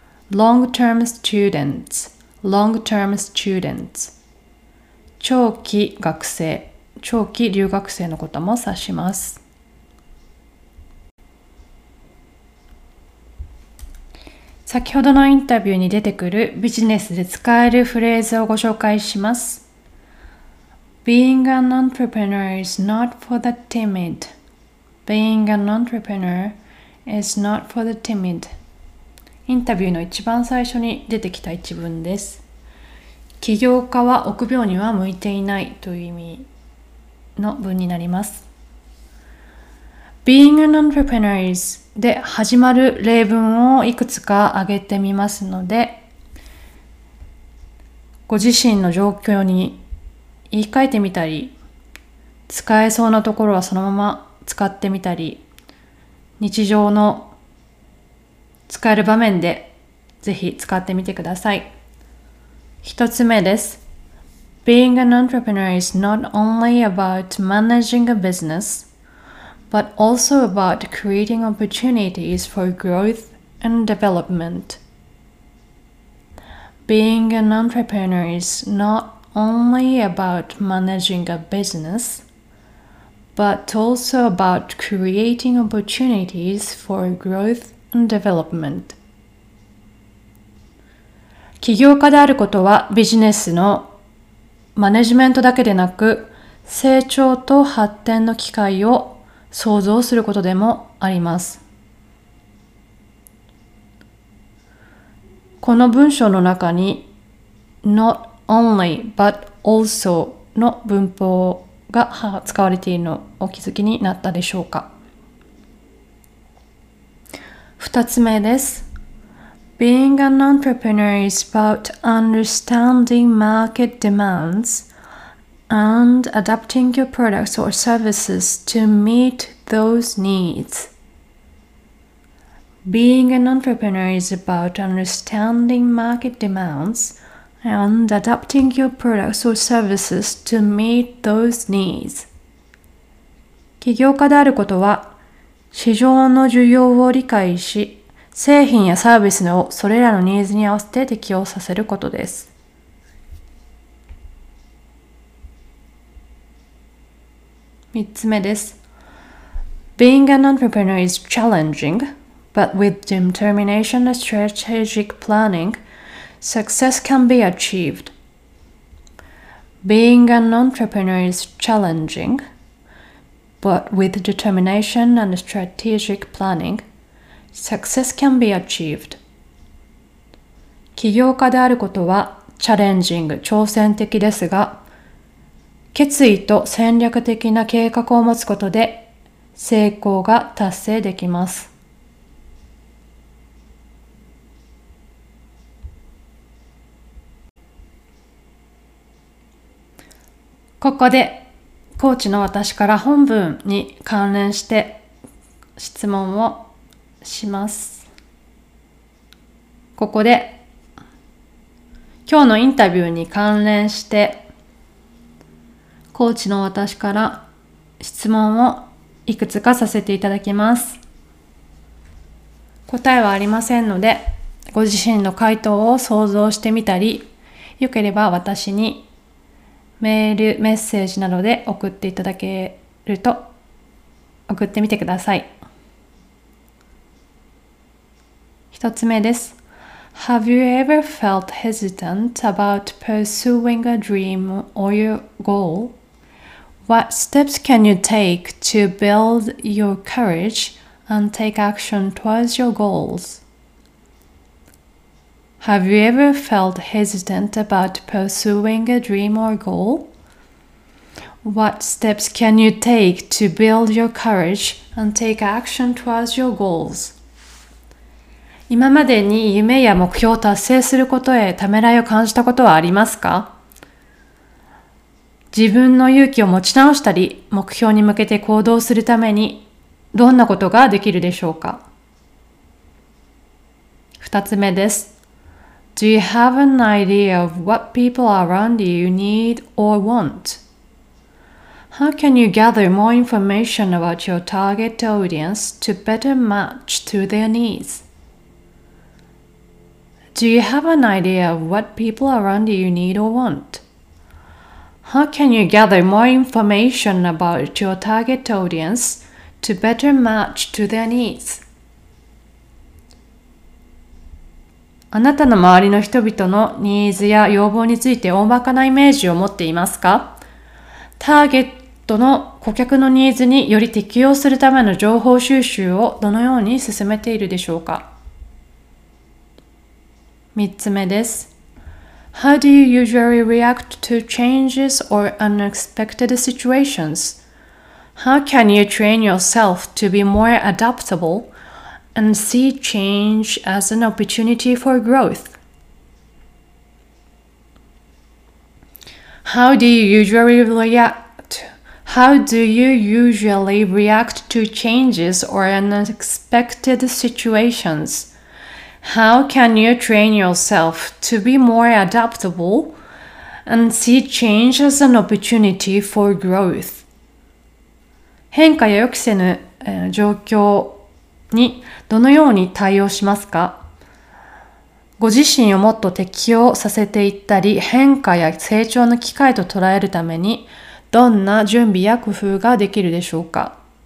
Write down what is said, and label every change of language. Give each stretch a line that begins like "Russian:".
English: Long-term students Long-term students
Japanese: 長期学生長期留学生のことも指します先ほどのインタビューに出てくるビジネスで使えるフレーズをご紹介します
English: Being an entrepreneur is not for the timid Being an entrepreneurIt's not for the timid.
Japanese: インタビューの一番最初に出てきた一文です。起業家は臆病には向いていないという意味の文になります。
English: Being an entrepreneur is
Japanese: で始まる例文をいくつか挙げてみますので、ご自身の状況に言い換えてみたり、使えそうなところはそのまま使ってみたり、日常の使える場面でぜひ使ってみてください。一つ目です。
English: Being an entrepreneur is not only about managing a business, but also about creating opportunities for growth and development. Being an entrepreneur is not only about managing a business,But also about creating opportunities for growth and development.
Japanese: 起業家であることはビジネスのマネジメントだけでなく成長と発展の機会を創造することでもあります。この文章の中に
English: not only but also
Japanese: の文法をが使われているのをお気づきになったでしょうか。二つ目です。
English: Being an entrepreneur is about understanding market demands and adapting your products or services to meet those needs. Being an entrepreneur is about understanding market demands. And adapting your products or services to meet those needs.
Japanese: 起業家であることは、市場の需要を理解し、製品やサービスをそれらのニーズに合わせて適用させることです。三つ目です。
English: Being an entrepreneur is challenging, but with determination and strategic planning,Success can be achieved. Being an entrepreneur is challenging, But with determination and strategic planning, success can be achieved.
Japanese: 起業家であることはチャレンジング、挑戦的ですが、決意と戦略的な計画を持つことで成功が達成できます。ここでコーチの私から本文に関連して質問をします。ここで今日のインタビューに関連してコーチの私から質問をいくつかさせていただきます。答えはありませんので、ご自身の回答を想像してみたり、よければ私にメール、メッセージなどで送っていただけると、送ってみてください。一つ目です。
English: Have you ever felt hesitant about pursuing a dream or your goal? What steps can you take to build your courage and take action towards your goals? Have you ever felt hesitant about pursuing a dream or goal? What steps can you take to build your courage and take action towards your goals?
Japanese: 今までに夢や目標を達成することへためらいを感じたことはありますか? 自分の勇気を持ち直したり、目標に向けて行動するために、どんなことができるでしょうか? 二つ目です。
English: Do you have an idea of what people around you need or want? How can you gather more information about your target audience to better match to their needs? Do you have an idea of what people around you need or want? How can you gather more information about your target audience to better match to their needs?
Japanese: あなたの周りの人々のニーズや要望について大まかなイメージを持っていますか? ターゲットの顧客のニーズにより適応するための情報収集をどのように進めているでしょうか? 三つ目です。
English: How do you usually react to changes or unexpected situations? How can you train yourself to be more adaptable and see change as an opportunity for growth? How do you usually react to changes or unexpected situations? How can you train yourself to be more adaptable and see change as an opportunity for growth?
Japanese: 変化や予期せぬ状況にどのように対応しますか? ご自身をもっと適応させていったり、変化や成長の機会と捉えるために、どんな準備や工夫ができるでしょうか?